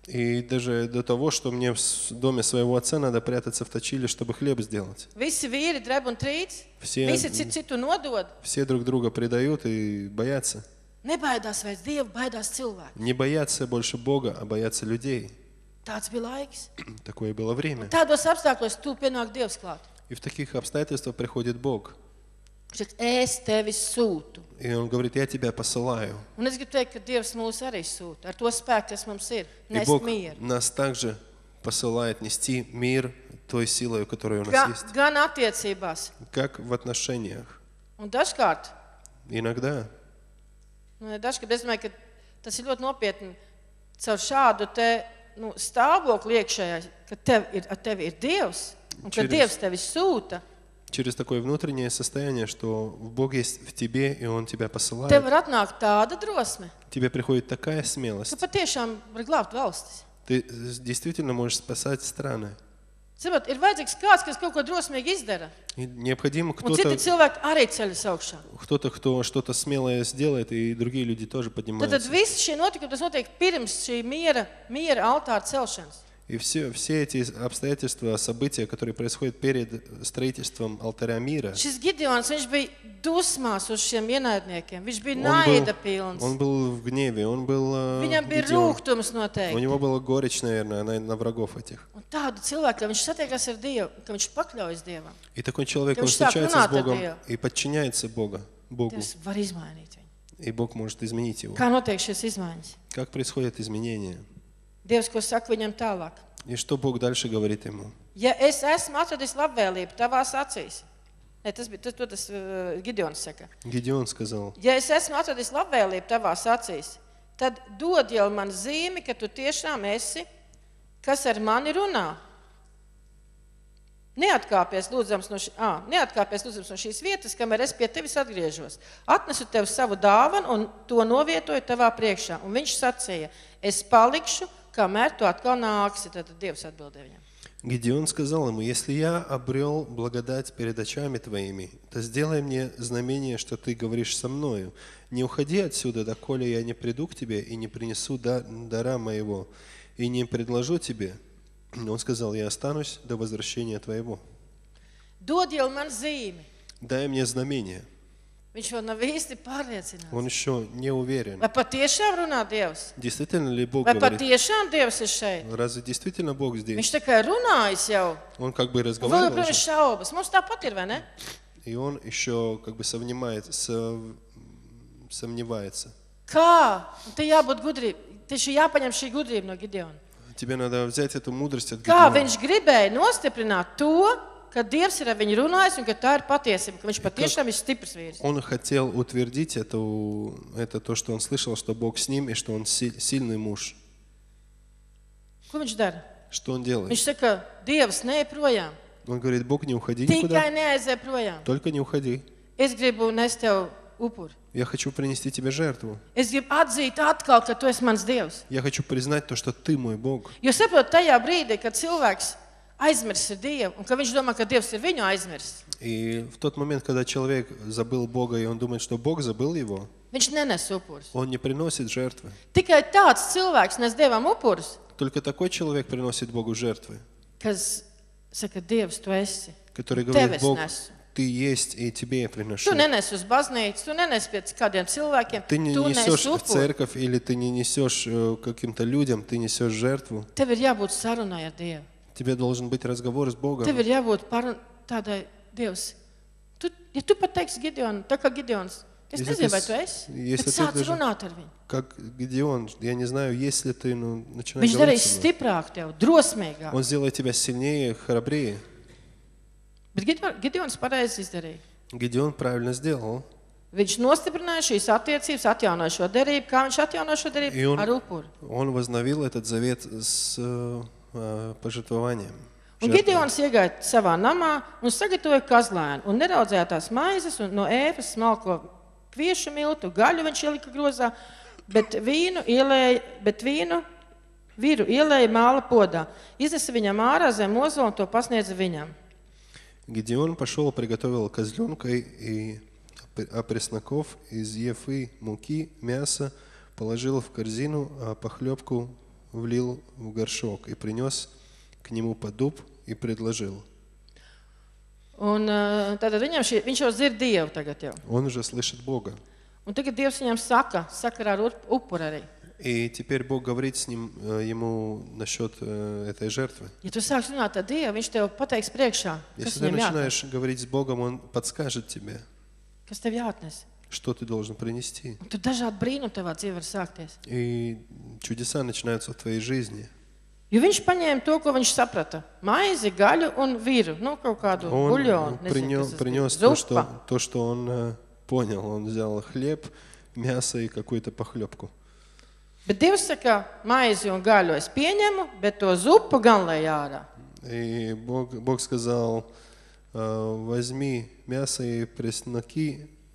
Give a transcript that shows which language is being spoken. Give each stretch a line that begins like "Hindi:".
Russian: И даже до того, что мне в доме своего отца надо прятаться в точиле, чтобы хлеб сделать.
Latvian: Visi vīri dreb un trīc, visi citu citu nodod.
Russian: Все друг друга предают и боятся. Не боятся вас Дев, боятся человека. Не боятся больше Бога, а боятся людей.
Latvian: Tāds bija laiks.
Russian: Такое было время.
Latvian: Tādos apstākļos tu pienāk Dievs klāt.
Russian: И в таких обстоятельствах приходит Бог.
Latvian: Es tevi sūtu.
Russian: И он говорит, я тебя посылаю.
Latvian: Un es gribu teikt, ka Dievs mūs arī sūta, ar to spēku, kas mums ir, nest
Russian: И Бог
Latvian: mieru.
Russian: Нас также посылает нести мир той силой, которая у нас есть.
Latvian: Gan attiecībās.
Russian: Как в отношениях.
Latvian: Un dažkārt.
Russian: Иногда.
Latvian: Ну, dažkārt, es domāju, ka tas ir ļoti nopietni. Caur šādu te, nu, stāvokli iekšējā, ka tev ir Dievs, un ka Dievs tevi sūta.
Russian: Через такое внутреннее состояние, что Бог есть в тебе, и Он тебя посылает.
Latvian: Tev var atnākt tāda drosme.
Russian: Tebе приходит такая смелость.
Latvian: Ka patiešām var glābt valstis.
Russian: Ты действительно можешь спасать страны.
Latvian: Zinot, ir vajadzīgs kāds, kas kaut ko drosmīgi izdara.
Russian: Необходимо кто-то.
Latvian: Un citi cilvēki arī ceļas augšā.
Russian: Кто-то, кто что-то смелое сделает, и другие люди тоже поднимаются.
Latvian: Tad viss šie notikumi, tas notiek pirms šī miera altāra celšanas.
Russian: И все эти обстоятельства, события, которые происходят перед строительством алтаря мира.
Latvian: Šis Gideons, viņš bija dusmās uz šiem ienaidniekiem. Viņš bija naida pilns.
Russian: Он был в гневе, он был
Latvian: Viņam bija rūgtums noteikti.
Russian: У него была горечь, наверное, на врагов этих.
Latvian: Un tādu cilvēku, ka viņš satiekas ar Dievu, ka viņš pakļaujas Dievam.
Russian: И такой человек, он встречается с Богом и подчиняется Богу.
Latvian: Tas var izmainīt viņu.
Russian: И Бог может изменить его.
Latvian: Kā notiek šīs izmaiņas?
Russian: Как происходят изменения?
Latvian: Dievs, ko saka viņam tālāk.
Russian: И что Бог дальше говорит ему?
Latvian: Ja es esmu atradis labvēlību tavās acīs. Nē, tas bija, tas Gideons saka. Gideons сказал. Ja es esmu atradis labvēlību tavās acīs, tad dod jau man zīmi, ka tu tiešām esi, kas ar mani runā. Neatkāpies, lūdzams, no šīs vietas, kamēr es pie tevis atgriežos. Atnesu tev savu dāvanu un to novietoju tavā priekšā. Un viņš sacīja, es palikšu, kamēr tu atkal nāksi, tad Dievs atbildē viņam.
Russian: Gideon сказал ему, если я обрел благодать перед очами твоими, то сделай мне знамение, что ты говоришь со мною. Не уходи отсюда, доколе я не приду к тебе и не принесу дара моего, и не предложу тебе, Он сказал, я останусь до возвращения твоего.
Latvian: Dod jau man zīmi.
Russian: Дай мне знамение.
Latvian: Viņš vēl nav īsti pārliecināts.
Russian: Он еще не уверен.
Latvian: Vai patiešām runā Dievs?
Russian: Действительно ли Бог говорит?
Latvian: Vai patiešām Dievs ir šeit?
Russian: Разве действительно Бог здесь?
Latvian: Viņš tikai runājas jau.
Russian: Он как бы разговаривал.
Latvian: Vēl joprojām šaubas. Mums tāpat ir, vai ne?
Russian: И он еще как бы сомневается.
Latvian: Kā? Te jābūt gudrība. Te šī jāpaņem šī gudrība no Gideona.
Russian: Тебе надо взять эту мудрость от
Latvian: Gideona. Kā viņš gribēja nostiprināt to, ka Dievs ir ar viņu runājis un ka tā ir patiesība, ka viņš patiešām ir stiprs vīrs.
Russian: Он хотел утвердить это то, что он слышал, что Бог с ним и что он сильный муж.
Latvian: Ko viņš dara?
Russian: Что он делает?
Latvian: Viņš saka, Dievs, neej projām.
Russian: Он говорит, Бог, не уходи
Latvian: никуда. Tikai neaizej projām.
Russian: Только не уходи.
Latvian: Es gribu nest tev upuri.
Russian: Я хочу принести тебе жертву.
Latvian: Es gribu atzīt atkal, ka tu esi mans Dievs.
Russian: Я хочу признать то, что ты мой Бог.
Latvian: Jo saprot, tajā brīdī, kad cilvēks aizmirs ir Dievu, un ka viņš domā, ka Dievs ir viņu aizmirs.
Russian: И в тот момент, когда человек забыл Бога, и он думает, что Бог забыл его,
Latvian: viņš nenes upurs.
Russian: Он не приносит жертвы.
Latvian: Tikai tāds cilvēks nes Dievam upurs.
Russian: Только такой человек приносит Богу жертвы.
Latvian: Kas saka, Dievs, tu esi.
Russian: Который говорит, Бог, ты есть, и тебе я приношу.
Latvian: Tu nenes uz baznīcu, tu nenes pie kādiem cilvēkiem,
Russian: ты не несешь в церковь, или ты не несешь каким-то людям, ты несешь жертву.
Latvian: Tev ir jābūt sarunai ar Dievu.
Russian: Тебе должен быть разговор с Богом.
Latvian: Tev ir jābūt par tādai, Dievs, tu, ja tu pateiksi Gideonu, tā kā Gideons, es nezinu, vai tu esi, bet sāc runāt ar viņu.
Russian: Как Гедеон, я не знаю, если ты, ну, начинаешь
Latvian: Viņš darīs stiprāk tev, drosmīgāk.
Russian: Он сделает тебя сильнее, храбрее.
Latvian: Bet Gideons pareizi izdarīja.
Russian: Gideon правильно сделал.
Latvian: Viņš nostiprināja šīs attiecības, atjaunoja šo derību. Kā viņš atjaunoja šo derību? Un, ar upuru. Он возновил этот завет с пожертвованием. Un Gideons iegāja savā namā un sagatavoja kazlēnu un neraudzēja tās maizes un no ēfas smalko kviešu miltu, gaļu viņš ielika grozā, bet vīnu viru ielēja māla podā. Iznesa viņam ārā zem mozola un to pasniedza viņam.
Russian: Gideon pašol prigatavila kazļunkai i apresnakov iz jefī mūki mēsa palažila v korzinu, a pahļopku влил в горшок и принес к нему подуб и предложил.
Latvian: Un, tātad viņam šī, viņš jau dzird Dievu tagad jau.
Russian: Он уже слышит Бога.
Latvian: Un tagad Dievs viņam saka, sakarā ar upuru arī.
Russian: И теперь Бог говорит с ним, ему насчет этой жертвы.
Latvian: Ja tu sāks runāt ar Dievu, viņš tev pateiks priekšā, kas viņam jātnes.
Russian: Если ты начинаешь говорить с Богом, он подскажет тебе.
Latvian: Kas tev jātnes?
Russian: Что ты должен принести?
Latvian: Tu dažādi brīnumi tavā dzīvē var sākties.
Russian: И чудеса начинаются в твоей жизни.
Latvian: Jo viņš paņēma to, ko viņš saprata. Maizi, gaļu un viru, nu kaut kādu buljonu,
Russian: принёс то, что он понял. Он взял хлеб, мясо и какую-то похлёбку.
Latvian: Bet Dievs saka, maizi un gaļu es pieņemu, bet to zupu gan lai ārā.
Russian: И Бог сказал: возьми мясо и пресноки.